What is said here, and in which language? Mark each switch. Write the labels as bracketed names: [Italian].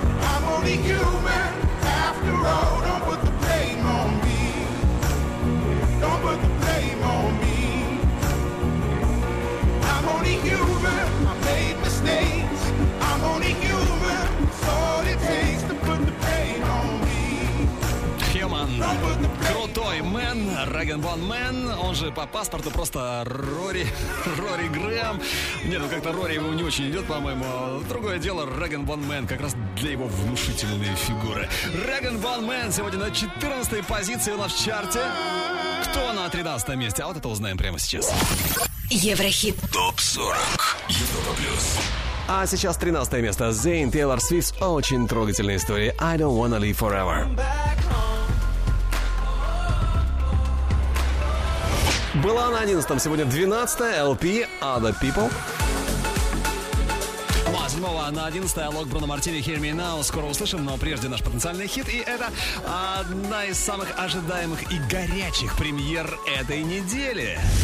[English] I'm only human after all. Don't put the blame on me. Don't put the blame on me. I'm only human, I made mistakes. I'm only human, it's all it takes to put the blame on me. Human. [Russian] Крутой мэн, Рэг-н-Бон мэн, он же по паспорту просто Рори, Рори Грэм. Нет, ну как-то Рори ему не очень идет, по-моему. Другое дело, Рэг-н-Бон мэн, как раз для его внушительной фигуры. Рэг-н-Бон мэн сегодня на 14-й позиции у нас в чарте. Кто на 13-м месте? А вот это узнаем прямо сейчас. Еврохит. Топ 40. Европа плюс. А сейчас 13-е место. Зейн, Тейлор Свифт. Очень трогательная история. I don't wanna live forever. Была на 11-м, сегодня 12-е, LP Other People. Ну а с 7-го на 11-е, Лок Бруно Мартини, Hear Me Now. Скоро услышим, но прежде наш потенциальный хит. И это одна из самых ожидаемых и горячих премьер этой недели.